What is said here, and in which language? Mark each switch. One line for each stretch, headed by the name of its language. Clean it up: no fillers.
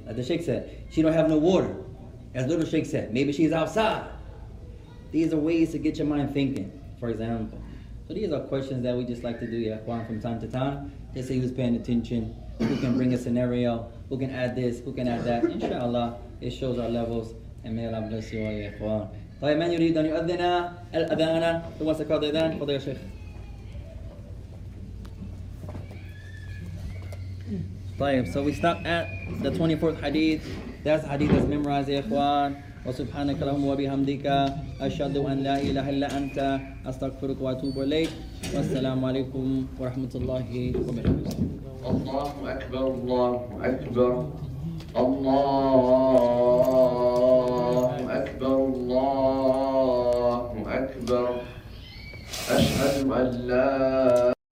English: As the Sheikh said, she don't have no water. As little Sheikh said, maybe she's outside. These are ways to get your mind thinking, for example. So these are questions that we just like to do, from time to time. Just say who's paying attention, who can bring a scenario, who can add this, who can add that. Inshallah, it shows our levels. And may Allah bless you all, ya ikhwan.
Arabic: طيب من يريد أن يؤذن الأذان في وسط الأذان فضي يا شيخ.
English: طيب, so we stop at the 24th hadith. That's hadith that's memorized, ya ikhwan.
Arabic: وسبحانك اللهم وبحمدك أشهد أن لا إله إلا أنت أستغفرك وأتوب إليك والسلام عليكم ورحمة الله وبركاته. الله أكبر الله أكبر الله أكبر الله أكبر أشهد أن لا